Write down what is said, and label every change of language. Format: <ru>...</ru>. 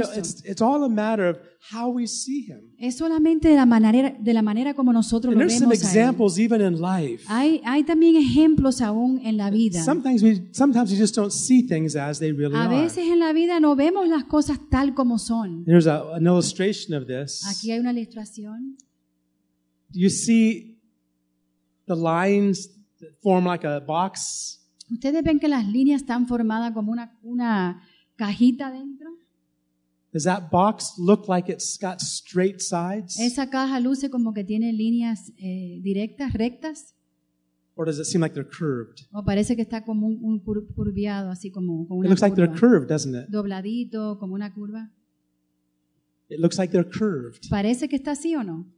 <en>You know, it's all a matter of how we see him.</en> <es>Es solamente de la manera como nosotros</es> <en>and</en> <es>lo vemos</es> <en>some examples</en> <es>él.</es> <en>Even in life.</en> <es>Hay también ejemplos aún en la vida.</es> <en>Sometimes we just don't see things as they really are.</en> <es>A veces en la vida no vemos las cosas tal como son.</es> <en>There's an illustration of this.</en> <es>Aquí hay una ilustración.</es> <en>You see the lines that form like a box.</en> <es>Ustedes ven que las líneas están formadas como una cajita dentro.</es> <en>Does that box look like it's got straight sides?</en> <es>Esa caja luce como que tiene líneas directas, rectas.</es> <en>Or does it seem like they're curved?</en> <es>O parece que está como un curviado, así como una curva.</es> <en>It looks like they're curved, doesn't it?</en> <es>Dobladito, como una curva.</es> <en>It looks like they're curved.</en> <es>Parece que está así o no.</es>